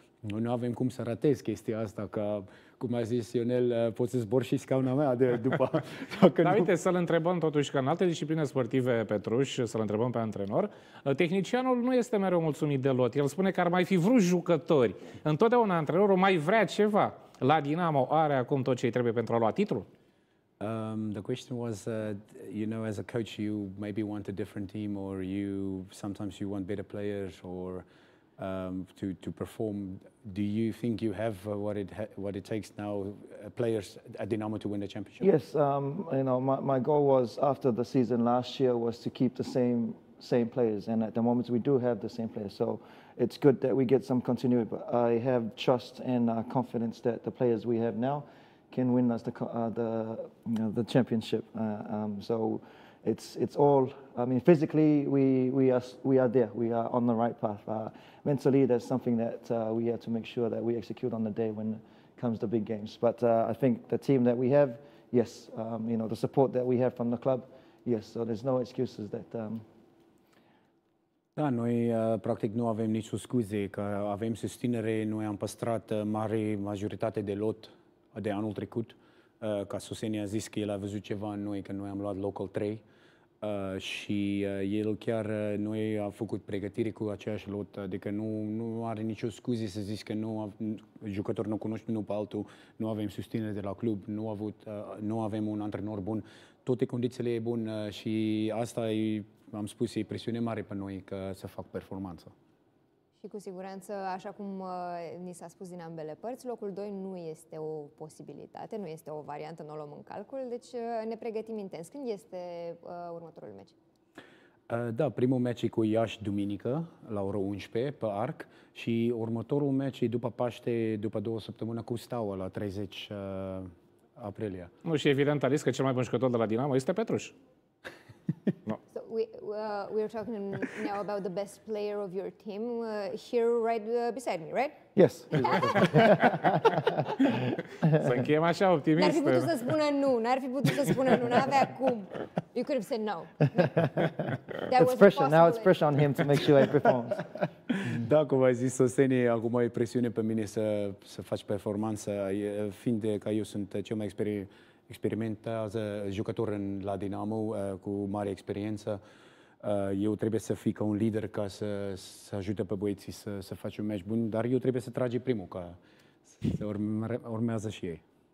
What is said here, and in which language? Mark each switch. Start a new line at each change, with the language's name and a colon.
Romanian: Noi nu avem cum să ratez chestia asta, că, cum a zis Ionel, poți să zbor și scauna mea după. Dar uite, să-l întrebăm totuși, că în alte discipline sportive, Petruș, să-l întrebăm pe antrenor, tehnicianul nu este mereu mulțumit de lot. El spune că ar mai fi vrut jucători. Întotdeauna antrenorul mai vrea ceva. La Dinamo are acum tot ce îi trebuie pentru a lua titlul?
English: The question was, you know, as a coach, you maybe want a different team or you sometimes you want better players or... to perform. Do you think you have what it takes now, players at Dinamo, to win the championship? Yes, you know, my goal was after the season last year was to keep the same players, and at the moment we do have the same players, so it's good that we get some continuity. But I have trust and confidence that the players we have now can win us the championship. So it's all, I mean, physically we are there, we are on the right path. Mentally, there's something that we have to make sure that we execute on the day when comes the big games. But I think the team that we have, yes, you know, the support that we have from the club, yes, so there's no excuses that.
Romanian: Da, noi practic nu avem nicio scuze, că avem susținere, noi am păstrat mare majoritate de lot de anul trecut, ca Suseni a zis că el a văzut ceva în noi, că noi am luat locul 3 și el chiar, noi a făcut pregătire cu aceeași lot, adică nu are nicio scuze să zic că nu, jucător nu cunoște unul pe altul, nu avem susținere de la club, nu avem un antrenor bun, toate condițiile e bun și asta e... Am spus, e presiune mare pe noi că să fac performanță. Și cu siguranță, așa cum ni s-a spus din ambele părți, locul 2 nu este o posibilitate, nu este o variantă, nu o luăm în calcul, deci ne pregătim intens. Când este următorul meci? Da, primul meci e cu Iași duminică, la ora 11, pe Arc, și următorul meci e după Paște, după două săptămâni, cu Steaua, la 30 aprilie. Nu, și evident, Alice, că cel mai bun jucător de la Dinamo este Petruș.
English: No. So we are talking now about the best player of your team here right beside me, right? Yes.
Romanian: Să încheiem așa, optimist. N-ar fi putut să spună nu, n-avea cum.
English: You could have said no. That it's was pressure, impossible. Now it's pressure on him to make sure he performs.
Romanian: Da, cum ai zis, Sosteni, acum e presiune pe mine să faci performanță, fiind că eu sunt cel mai experimentează jucător la Dinamo cu mare experiență. Eu trebuie să fii ca un lider ca să ajute pe băieții să faci un meci bun, dar eu trebuie să trage primul, ca să urmează și ei.